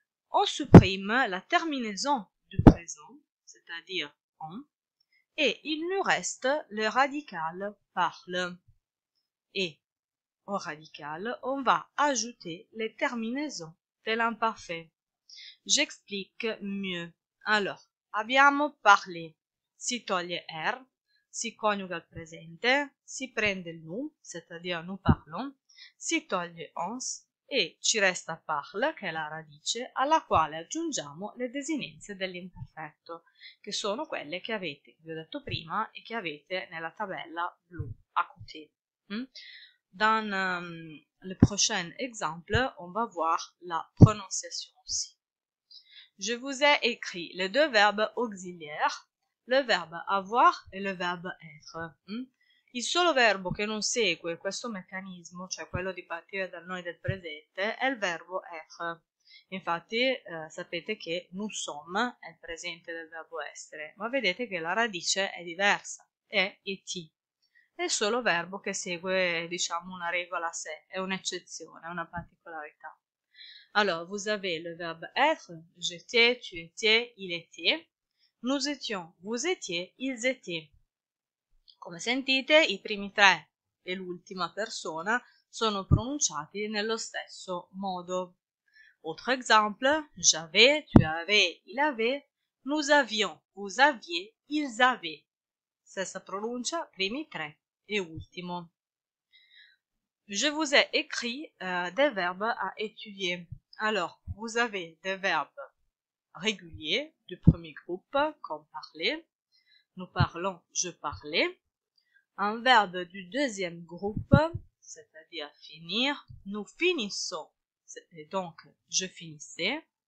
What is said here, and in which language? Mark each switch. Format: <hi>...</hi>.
<fr>On supprime la terminaison du présent, c'est-à-dire « on », et il nous reste le radical « parle ». Et au radical, on va ajouter les terminaisons de l'imparfait. J'explique mieux. Alors,</fr> <it>abbiamo</it> <fr>parlé.</fr> <it>Si toglie « r », si coniuga il presente, si prende il nous,</it> <fr>c'est-à-dire nous parlons,</fr> <it>si toglie ons e ci resta parle, che è la radice, alla quale aggiungiamo le desinenze dell'imperfetto, che sono quelle che avete, vi ho detto prima, e che avete nella tabella blu,</it> <fr>a côté. Dans le prochain exemple, on va voir la prononciation aussi. Je vous ai écrit les deux verbes auxiliaires, le verbo avoir e le verbo être.</fr> <it>Il solo verbo che non segue questo meccanismo, cioè quello di partire dal noi del presente, è il verbo être. Infatti, sapete che</it> <fr>nous sommes</fr> <it>è il presente del verbo essere, ma vedete che la radice è diversa, è et. È il solo verbo che segue, diciamo, una regola a sé, è un'eccezione, una particolarità. Allora,</it> <fr>vous avez le verbo être, j'étais, tu étais, il était. Nous étions, vous étiez, ils étaient.</fr> <it>Come sentite, i primi tre e l'ultima persona sono pronunciati nello stesso modo.</it> <fr>Autre exemple, j'avais, tu avais, il avait, nous avions, vous aviez, ils avaient.</fr> <it>Stessa pronuncia, primi tre e ultimo.</it> <fr>Je vous ai écrit des verbes à étudier. Alors, vous avez des verbes régulier du premier groupe, comme parler, nous parlons, je parlais, un verbe du deuxième groupe, c'est-à-dire finir, nous finissons, c'était donc je finissais,</fr>